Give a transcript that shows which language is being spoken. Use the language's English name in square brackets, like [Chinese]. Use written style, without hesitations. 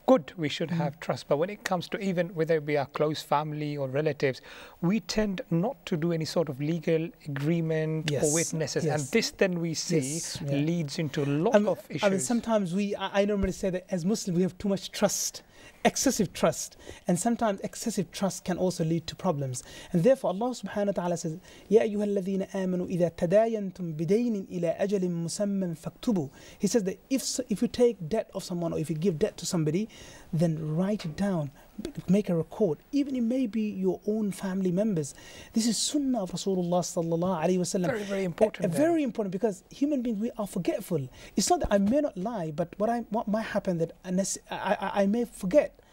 [English] Good, we should have trust. But when it comes to even whether it be our close family or relatives, we tend not to do any sort of legal agreement or witnesses. Yes. And this then we see leads into a lot of issues. I mean, sometimes I normally say that as Muslims, we have too much trust. Excessive trust, and sometimes excessive trust can also lead to problems. And therefore, Allah subhanahu wa ta'ala says, [Arabic] يَا أَيُّهَا الَّذِينَ آمَنُوا إِذَا تَدَايَنْتُمْ بِدَيْنٍ إِلَىٰ أَجَلٍ مُسَمًّا فَاكْتُبُوا. [English] He says that if you take debt of someone, or if you give debt to somebody, then write it down, make a record. Even it may be your own family members. This is sunnah of Rasulullah sallallahu alayhi wa sallam. Very, very important. Very important, because human beings, we are forgetful. It's not that I may not lie, but what might happen that I may forget.